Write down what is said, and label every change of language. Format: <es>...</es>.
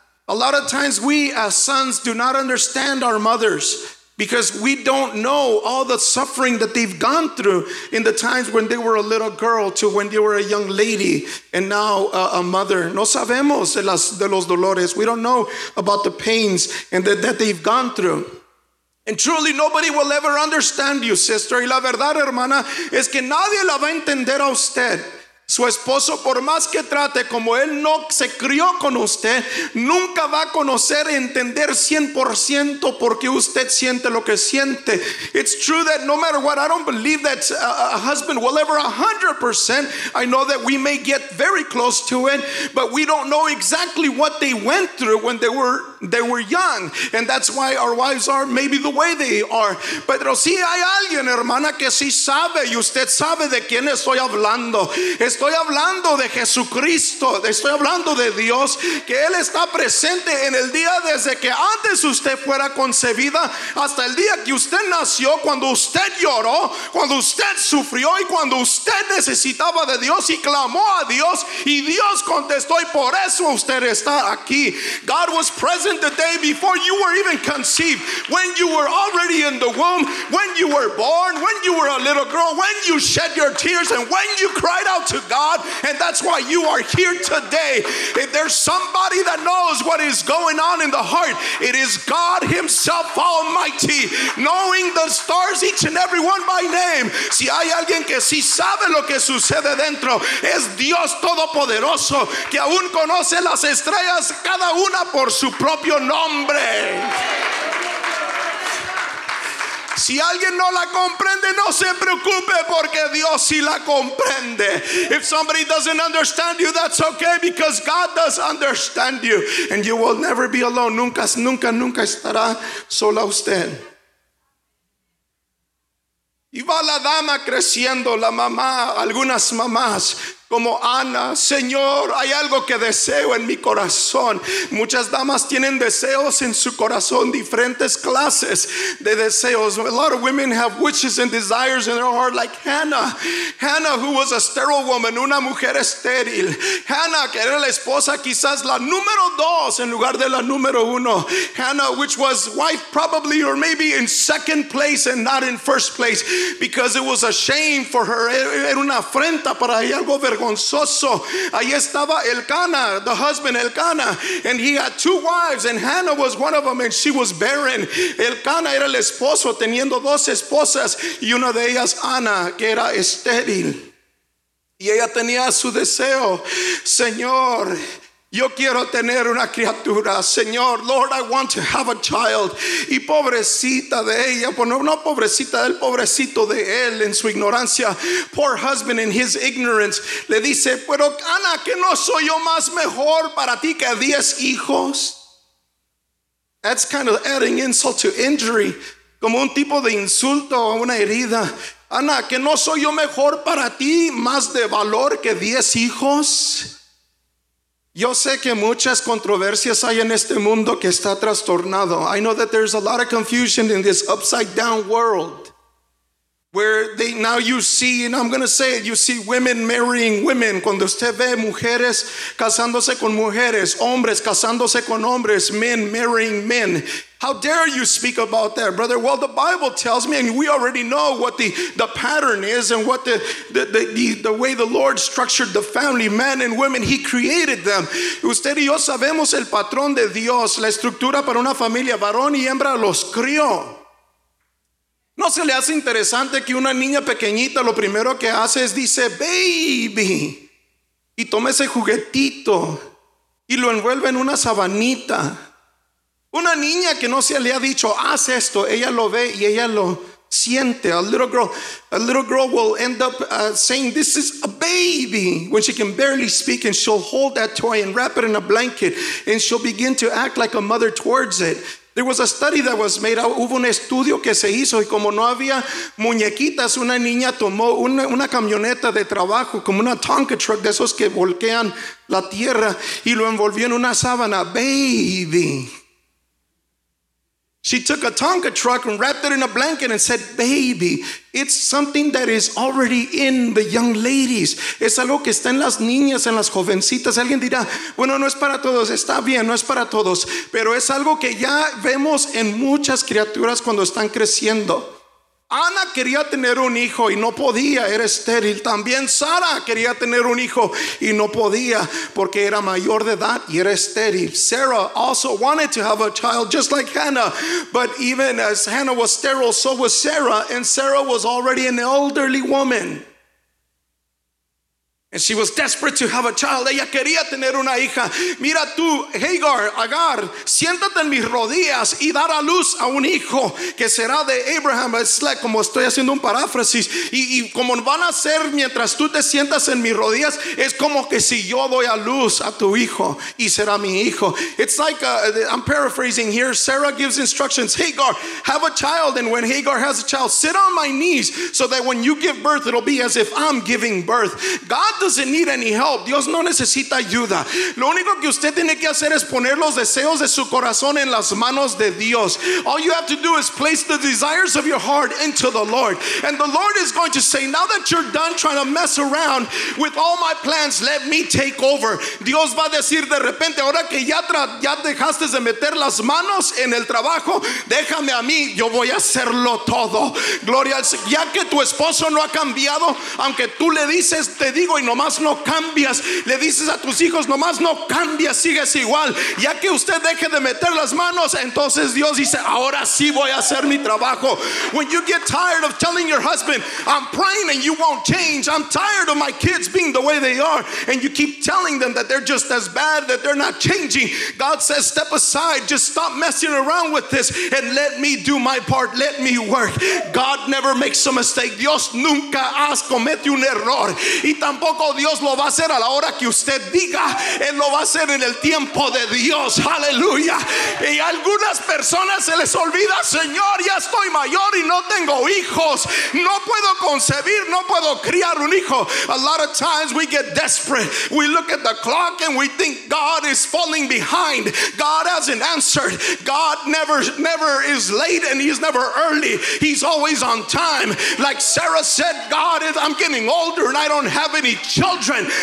<en>A lot of times we as sons do not understand our mothers because we don't know all the suffering that they've gone through in the times when they were a little girl to when they were a young lady and now a mother.</en> <es>No sabemos de los dolores.</es> <en>We don't know about the pains and that they've gone through. And truly, nobody will ever understand you, sister.</en> <es>Y la verdad, hermana, es que nadie la va a entender a usted. Su esposo, por más que trate, como él no se crió con usted, nunca va a conocer y entender 100% por qué usted siente lo que siente.</es> <en>It's true that no matter what, I don't believe that a husband will ever 100%. I know that we may get very close to it, but we don't know exactly what they went through when they were young. And that's why our wives are maybe the way they are.</en> <es>Pero sí hay alguien, hermana, que sí sabe, y usted sabe de quién estoy hablando. estoy hablando de Jesucristo, estoy hablando de Dios, que Él está presente en el día desde que antes usted fuera concebida hasta el día que usted nació, cuando usted lloró, cuando usted sufrió y cuando usted necesitaba de Dios y clamó a Dios y Dios contestó, y por eso usted está aquí.</es> <en>God was present the day before you were even conceived, when you were already in the womb, when you were born, when you were a little girl, when you shed your tears and when you cried out to God, and that's why you are here today. If there's somebody that knows what is going on in the heart, it is God Himself Almighty, knowing the stars, each and every one by name.</en> <es>Si hay alguien que sí sabe lo que sucede dentro, es Dios Todopoderoso, que aún conoce las estrellas, cada una por su propio nombre. Si alguien no la comprende, no se preocupe, porque Dios sí la comprende.</es> <en>If somebody doesn't understand you, that's okay, because God does understand you. And you will never be alone.</en> <es>Nunca, nunca, nunca estará sola usted. Y va la dama creciendo, la mamá, algunas mamás, como Ana. Señor, hay algo que deseo en mi corazón. Muchas damas tienen deseos en su corazón, diferentes clases de deseos.</es> <en>A lot of women have wishes and desires in their heart, like Hannah. Hannah, who was a sterile woman,</en> <es>una mujer estéril. Hannah, que era la esposa quizás la número dos en lugar de la número uno.</es> <en>Hannah, which was wife probably or maybe in second place and not in first place, because it was a shame for her.</en> <es>Era una afrenta para ella, algo verdadero. Ahí estaba Elcana,</es> <en>the husband Elcana, and he had two wives, and Hannah was one of them, and she was barren.</en> <es>Elcana era el esposo, teniendo dos esposas, y una de ellas Ana, que era estéril. Y ella tenía su deseo. Señor, yo quiero tener una criatura. Señor,</es> <en>Lord, I want to have a child.</en> <es>Y pobrecita de ella, bueno, no pobrecita, el pobrecito de él en su ignorancia.</es> <en>Poor husband in his ignorance.</en> <es>Le dice, pero Ana, ¿que no soy yo más mejor para ti que 10 hijos?</es> <en>That's kind of adding insult to injury.</en> <es>Como un tipo de insulto a una herida. Ana, ¿que no soy yo mejor para ti, más de valor que 10 hijos? Yo sé que muchas controversias hay en este mundo que está trastornado.</es> <en>I know that there's a lot of confusion in this upside down world, where they, now you see, and I'm going to say it, you see women marrying women.</en> <es>Cuando usted ve mujeres casándose con mujeres, hombres casándose con hombres,</es> <en>men marrying men. How dare you speak about that, brother? Well, the Bible tells me, and we already know what the pattern is and what the way the Lord structured the family, men and women, He created them.</en> <es>Usted y yo sabemos el patrón de Dios, la estructura para una familia, varón y hembra los crió. ¿No se le hace interesante que una niña pequeñita lo primero que hace es dice, baby, y toma ese juguetito y lo envuelve en una sabanita? Una niña que no se le ha dicho, haz esto, ella lo ve y ella lo siente.</es> <en>A little girl will end up saying, this is a baby, when she can barely speak, and she'll hold that toy and wrap it in a blanket, and she'll begin to act like a mother towards it. There was a study that was made out.</en> <es>Hubo un estudio que se hizo, y como no había muñequitas, una niña tomó una camioneta de trabajo, como una Tonka truck, de esos que volquean la tierra, y lo envolvió en una sábana.</es> <en>Baby. She took a Tonka truck and wrapped it in a blanket and said, baby, it's something that is already in the young ladies.</en> <es>Es algo que está en las niñas, en las jovencitas. Alguien dirá, bueno, no es para todos. Está bien, no es para todos. Pero es algo que ya vemos en muchas criaturas cuando están creciendo. Ana quería tener un hijo y no podía, era estéril. También Sara quería tener un hijo y no podía porque era mayor de edad y era estéril.</es> <en>Sarah also wanted to have a child, just like Hannah. But even as Hannah was sterile, so was Sarah. And Sarah was already an elderly woman. And she was desperate to have a child.</en> <es>Ella quería tener una hija. Mira tú, Hagar, Agar, siéntate en mis rodillas y dar a luz a un hijo que será de Abraham. Es like, como estoy haciendo un paráfrasis. Y como van a ser mientras tú te sientas en mis rodillas, es como que si yo doy a luz a tu hijo y será mi hijo.</es> <en>It's like, I'm paraphrasing here. Sarah gives instructions. Hagar, have a child. And when Hagar has a child, sit on my knees so that when you give birth, it'll be as if I'm giving birth. God doesn't need any help.</en> <es>Dios no necesita ayuda. Lo único que usted tiene que hacer es poner los deseos de su corazón en las manos de Dios.</es> <en>All you have to do is place the desires of your heart into the Lord. And the Lord is going to say, now that you're done trying to mess around with all my plans, let me take over.</en> <es>Dios va a decir de repente, ahora que ya dejaste de meter las manos en el trabajo, déjame a mí, yo voy a hacerlo todo. Gloria al Señor. Ya que tu esposo no ha cambiado, aunque tú le dices, te digo, y nomás no cambias, le dices a tus hijos, nomás no cambias, sigues igual. Ya que usted deje de meter las manos, entonces Dios dice, ahora sí voy a hacer mi trabajo.</es> <en>When you get tired of telling your husband, I'm praying and you won't change, I'm tired of my kids being the way they are, and you keep telling them that they're just as bad, that they're not changing, God says, step aside, just stop messing around with this and let me do my part, let me work. God never makes a mistake.</en> <es>Dios nunca comete un error, y tampoco Dios lo va a hacer a la hora que usted diga. Él lo va a hacer en el tiempo de Dios. Aleluya. Y algunas personas se les olvida, Señor, ya estoy mayor y no tengo hijos, no puedo concebir, no puedo criar un hijo.</es> <en>A lot of times we get desperate, we look at the clock and we think God is falling behind. God hasn't answered. God never is late and he's never early, he's always on time. Like Sarah said, God, I'm getting older and I don't have any children.</en>